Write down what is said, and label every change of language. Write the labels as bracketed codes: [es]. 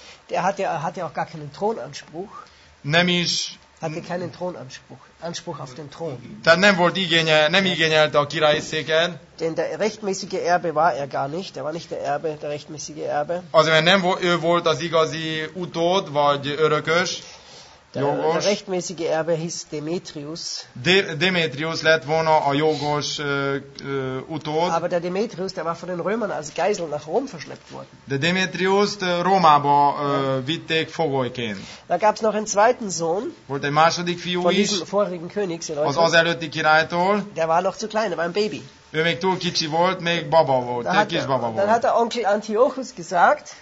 [de] Der hatte auch gar keinen Thronanspruch. [hu] Nem is. [de] Hatte keinen Thronanspruch. Anspruch auf den Thron. [hu] Tehát nem volt igénye, nem igényelte a királyi széket. [de] Denn der rechtmäßige Erbe war er gar nicht. Er war nicht der Erbe, der rechtmäßige Erbe. [hu] Azért, mert nem ő volt az igazi utód, vagy örökös. [de] Der rechtmäßige Erbe hieß Demetrius. [hu] Demetrius lett volna a jogos utód. [de] Aber der Demetrius, der war von den Römern als Geisel nach Rom verschleppt worden. [hu] De Demetriust Rómába vitték fogolyként. [de] Da gab's noch einen zweiten Sohn. [hu] Volt egy második fiú [de] von diesem vorigen König, [hu] az előtti királytól. [de] Der war noch zu klein, er war ein Baby. [hu] Ő még túl kicsi volt, még baba volt, egy kis baba volt. [de] Dann hat der Onkel Antiochus gesagt.